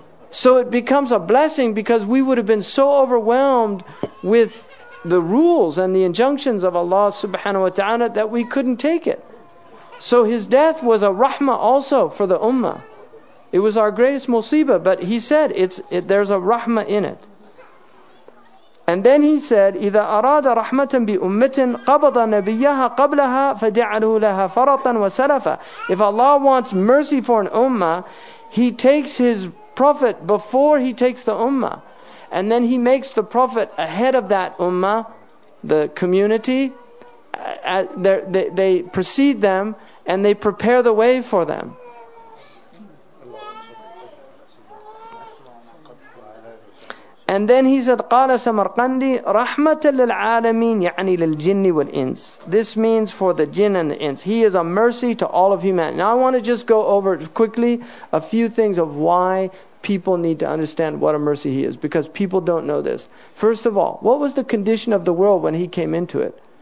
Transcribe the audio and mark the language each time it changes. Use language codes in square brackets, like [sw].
[en] So it becomes a blessing because we would have been so overwhelmed with the rules and the injunctions of Allah subhanahu wa ta'ala that we couldn't take it. So his death was a rahmah also for the ummah. It was our greatest musibah, but he said there's a rahmah in it. And then he said, [ar] إِذَا أَرَادَ رَحْمَةً بِأُمَّةٍ قَبَضَ نَبِيَّهَا قَبْلَهَا فَدِعَلُهُ لَهَا فَرَطًا وَسَلَفًا. [en] If Allah wants mercy for an ummah, he takes his prophet before he takes the ummah. And then he makes the prophet ahead of that ummah, the community. They precede them and they prepare the way for them. And then he said, [ar] قَالَ سَمَرْقَنْدِي رَحْمَةً لِلْعَالَمِينَ يَعْنِي لِلْجِنِّ وَالْإِنسِ. [en] This means for the jinn and the ins. He is a mercy to all of humanity. Now I want to just go over quickly a few things of why people need to understand what a mercy he is, because people don't know this. First of all, what was the condition of the world when he came into it?